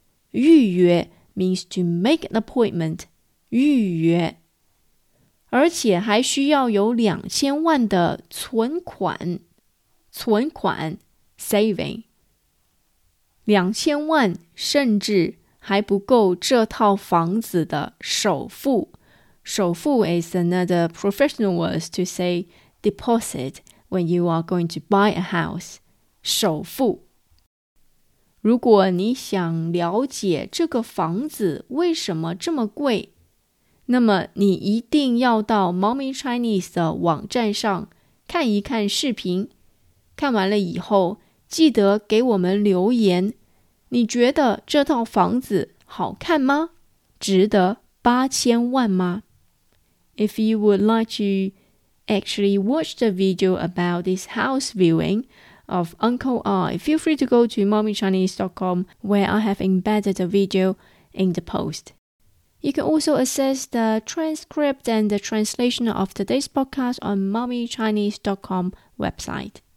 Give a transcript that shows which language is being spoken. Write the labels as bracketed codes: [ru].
[en] 预约means to make an appointment， 预约。 [zh] 而且还需要有2000万的存款。存款 saving。 2000万甚至还不够这套房子的首付， [en] 首付 is another professional word to say deposit when you are going to buy a house. [zh] 首付。如果你想了解这个房子为什么这么贵，那么你一定要到 Mommy Chinese 的网站上看一看视频。看完了以后，记得给我们留言，你觉得这套房子好看吗？值得8000万吗？ [en] If you would like to actually watch the video about this house viewing of Uncle I, feel free to go to mommychinese.com where I have embedded the video in the post. You can also access the transcript and the translation of today's podcast on mommychinese.com website.